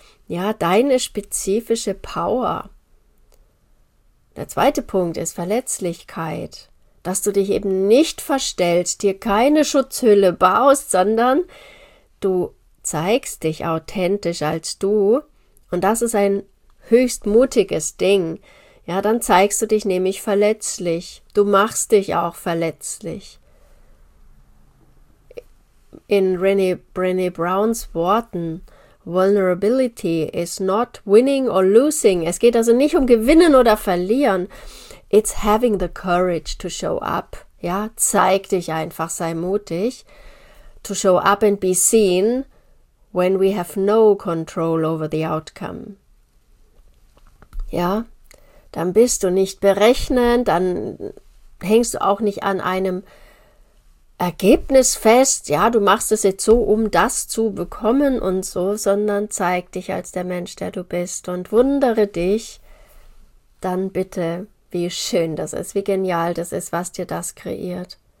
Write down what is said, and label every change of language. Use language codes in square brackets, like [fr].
[de] Ja, deine spezifische Power. Der zweite Punkt ist Verletzlichkeit, dass du dich eben nicht verstellst, dir keine Schutzhülle baust, sondern du zeigst dich authentisch als du und das ist ein höchst mutiges Ding. Ja, dann zeigst du dich nämlich verletzlich, du machst dich auch verletzlich. In Brené Browns Worten, [en] Vulnerability is not winning or losing. [de] Es geht also nicht um Gewinnen oder Verlieren. [en] It's having the courage to show up. [de] Ja, zeig dich einfach, sei mutig. [en] To show up and be seen when we have no control over the outcome. [de] Ja, dann bist du nicht berechnend, dann hängst du auch nicht an einem Ergebnis fest, ja, du machst es jetzt so, um das zu bekommen und so, sondern zeig dich als der Mensch, der du bist und wundere dich, dann bitte, wie schön das ist, wie genial das ist, was dir das kreiert.